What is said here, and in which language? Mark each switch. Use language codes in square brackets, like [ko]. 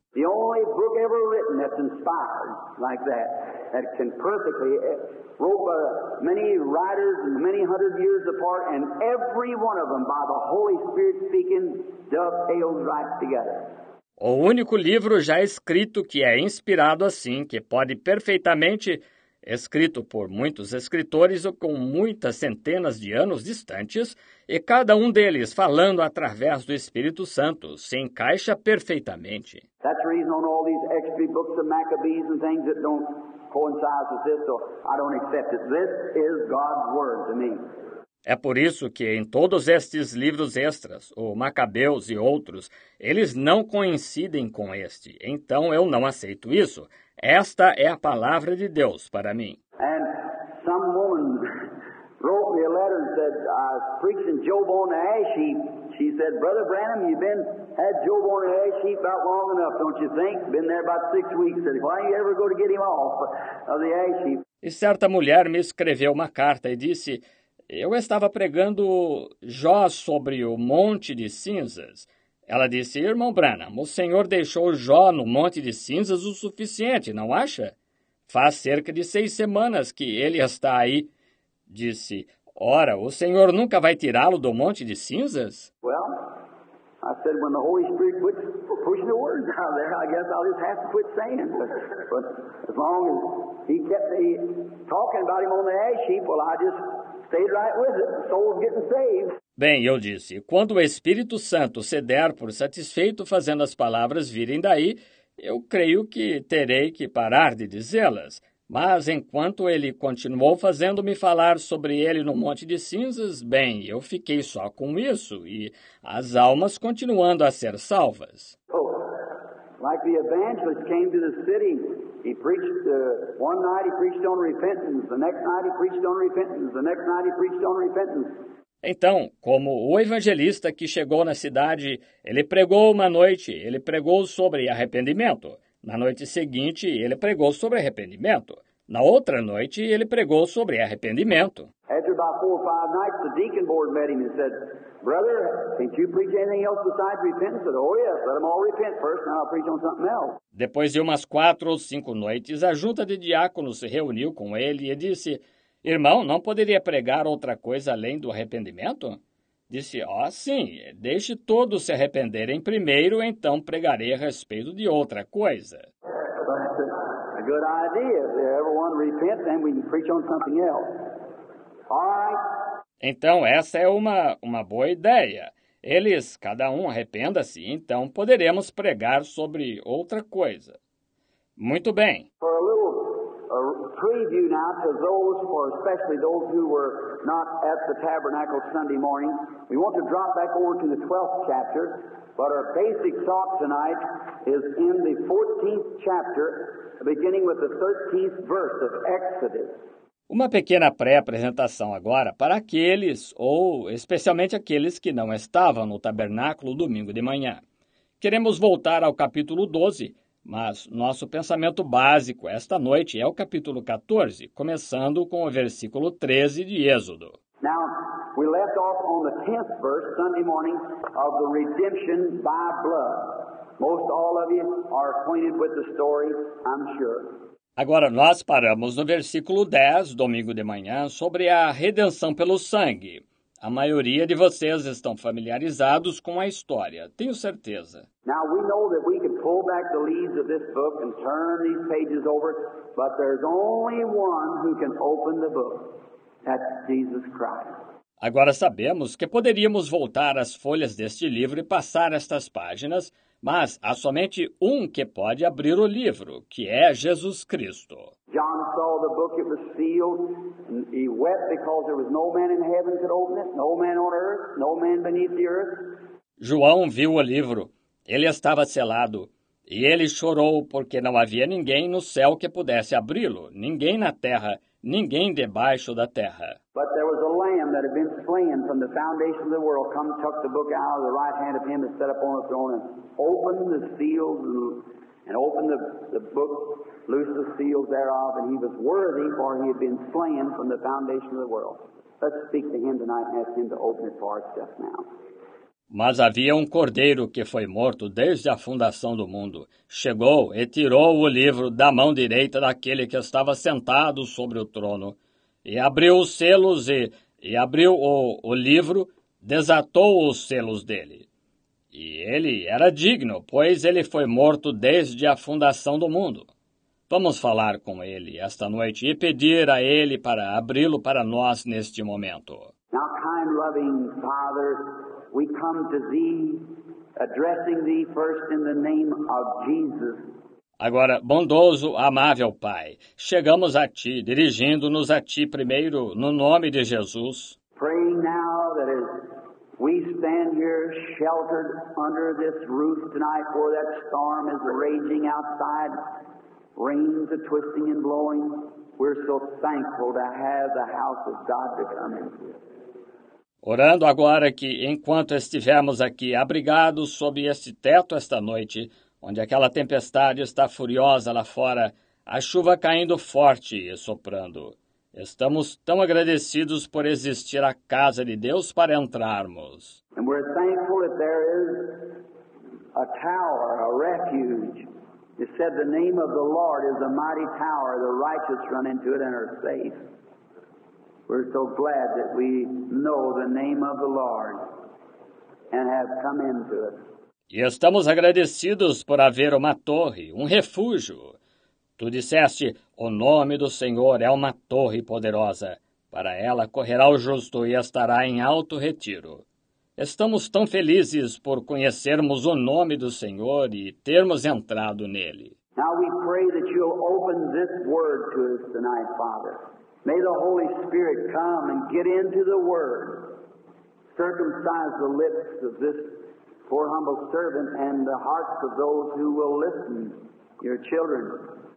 [en] The only book ever written that's inspired like that, that can perfectly, wrote many writers many hundred years apart, and every one of them, by the Holy Spirit speaking, dovetails right together. [pt] O único livro já escrito que é inspirado assim, que pode perfeitamente escrito por muitos escritores ou com muitas centenas de anos distantes, e cada um deles falando através do Espírito Santo, se encaixa perfeitamente. [en] That's the reason on all these extra books of Maccabees and things that don't coincides with this, so I don't accept it. This is God's word to me. [pt] É por isso que em todos estes livros extras, o Macabeus e outros, eles não coincidem com este. Então eu não aceito isso. Esta é a palavra de Deus para mim. [en] And some woman wrote me a letter and said, I was preaching Job on the ash heap. She said, Brother Branham, you've been had Job on the ash heap about long enough, don't you think? Been there about 6 weeks. Said, why don't you ever go to get him off of the ash heap? [pt] E certa mulher me escreveu uma carta e disse, eu estava pregando Jó sobre o Monte de Cinzas. Ela disse, irmão Branham, o senhor deixou Jó no Monte de Cinzas o suficiente, não acha? Faz cerca de 6 semanas que ele está aí. Disse, ora, o senhor nunca vai tirá-lo do Monte de Cinzas? [en] Well, I said, when the Holy Spirit quits pushing the words out there, I guess I'll just have to quit saying. But as long as he kept me talking about him on the ash heap, well, I just... stayed right with it. Soul getting saved. [pt] Bem, eu disse, quando o Espírito Santo se der por satisfeito fazendo as palavras virem daí, eu creio que terei que parar de dizê-las. Mas enquanto ele continuou fazendo-me falar sobre ele no Monte de Cinzas, bem, eu fiquei só com isso e as almas continuando a ser salvas. [en] Oh, like the evangelist came to the city. He preached one night he preached on repentance, the next night he preached on repentance, the next night he preached on repentance. [pt] Então, como o evangelista que chegou na cidade, ele pregou uma noite, ele pregou sobre arrependimento. Na noite seguinte, ele pregou sobre arrependimento. Na outra noite, ele pregou sobre arrependimento. [en] After about 4 or 5 nights, the deacon board met him and said, Brother, can't you preach anything else besides repentance? I said, oh, yes, let them all repent first, and I'll preach on something else. [pt] Depois de umas 4 ou 5 noites, a junta de diáconos se reuniu com ele e disse, irmão, não poderia pregar outra coisa além do arrependimento? Disse, ó, sim, deixe todos se arrependerem primeiro, então pregarei a respeito de outra coisa. [en] A good idea. If everyone repents, then we can preach on something else. All right. [pt] Então, essa é uma boa ideia. Eles, cada um, arrependa-se, então poderemos pregar sobre outra coisa. Muito bem. [en] For a little preview now to those, for especially those who were not at the tabernacle Sunday morning, we want to drop back over to the 12th chapter, but our basic thought tonight is in the 14th chapter, beginning with the 13th verse of Exodus. [pt] Uma pequena pré-apresentação agora para aqueles, ou especialmente aqueles que não estavam no tabernáculo domingo de manhã. Queremos voltar ao capítulo 12, mas nosso pensamento básico esta noite é o capítulo 14, começando com o versículo 13 de Êxodo. [en] Now, we left off on the 10th verse, Sunday morning, of the redemption by blood. Most all of you are acquainted with the story, I'm sure. [pt] Agora, nós paramos no versículo 10, domingo de manhã, sobre a redenção pelo sangue. A maioria de vocês estão familiarizados com a história, tenho certeza. [en] Now, we know that we can pull back the leaves of this book and turn these pages over, but there's only one who can open the book. That's Jesus Christ. [pt] Agora sabemos que poderíamos voltar às folhas deste livro e passar estas páginas, mas há somente um que pode abrir o livro, que é Jesus Cristo. [en] John saw the book, it was sealed, and he wept because there was no man in heaven could open it, no man on earth, no man beneath the earth. [pt] João viu o livro, ele estava selado, e ele chorou porque não havia ninguém no céu que pudesse abri-lo, ninguém na terra, ninguém debaixo da terra. [en] But there was a lamb that had been slain from the foundation of the world, come tuck the book out of the right hand of him that sat upon the throne and opened the seals and opened the book, loosed the seals thereof, and he was worthy, for he had been slain from the foundation of the world. Let's speak to him tonight and ask him to open it for us just now. [pt] Mas havia um cordeiro que foi morto desde a fundação do mundo. Chegou e tirou o livro da mão direita daquele que estava sentado sobre o trono. E abriu os selos e abriu o livro, desatou os selos dele. E ele era digno, pois ele foi morto desde a fundação do mundo. Vamos falar com ele esta noite e pedir a ele para abri-lo para nós neste momento. [en] Now, kind, loving Father, we come to thee, addressing thee first in the name of Jesus. [pt] Agora, bondoso, amável Pai, chegamos a Ti, dirigindo-nos a Ti primeiro, no nome de Jesus. [en] Praying now that as we stand here sheltered under this roof tonight, for that storm is raging outside, rains are twisting and blowing, we're so thankful to have the house of God to come into. [pt] Orando agora que, enquanto estivermos aqui abrigados sob este teto esta noite, onde aquela tempestade está furiosa lá fora, a chuva caindo forte e soprando, estamos tão agradecidos por existir a casa de Deus para entrarmos. [en] And we're thankful that there is a tower, a refuge. It said the name of the Lord is a mighty tower. The righteous run into it and are safe. We're so glad that we know the name of the Lord and have come into it. [pt] E estamos agradecidos por haver uma torre, um refúgio. Tu disseste, o nome do Senhor é uma torre poderosa. Para ela correrá o justo e estará em alto retiro. Estamos tão felizes por conhecermos o nome do Senhor e termos entrado nele. [en] Now we pray that you'll open this word to us tonight, Father. May the Holy Spirit come and get into the word. Circumcise the lips of this poor humble servant and the hearts of those who will listen, your children.